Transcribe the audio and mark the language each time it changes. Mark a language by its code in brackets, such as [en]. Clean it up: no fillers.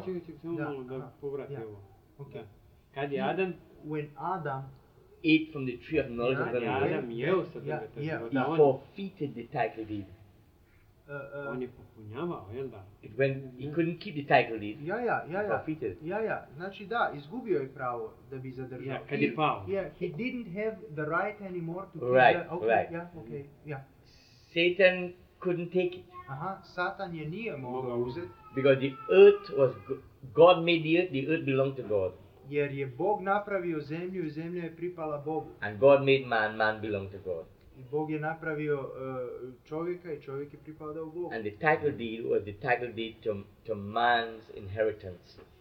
[hr] Čekaj, malo da povratim ovo. [en] Okay. [hr] Kad je Adam, [en] when Adam ate from the tree of knowledge of good and evil, [hr] Adam jeo sa drveta, [en] he forfeited the title deed. [hr] On je popunjavao, jel da? [en] When he couldn't keep the title deed. Ja. [hr] Znači da, izgubio je pravo da bi zadržao. Ja, kad je pao. [en] Yeah, he didn't have the right anymore to keep. Right, the, okay, right. Yeah, okay, yeah. Satan couldn't take it. [hr] Aha, Satan je nije mogao uzeti. [en] Because the earth was, God made the earth belonged to God. [hr] Jer je Bog napravio zemlju i zemlja je pripala Bogu. [en] And God made man belonged to God. [hr] Bog je napravio čovjeka i čovjek je pripadao Bogu. [en] And the title deed was the title deed to man's inheritance.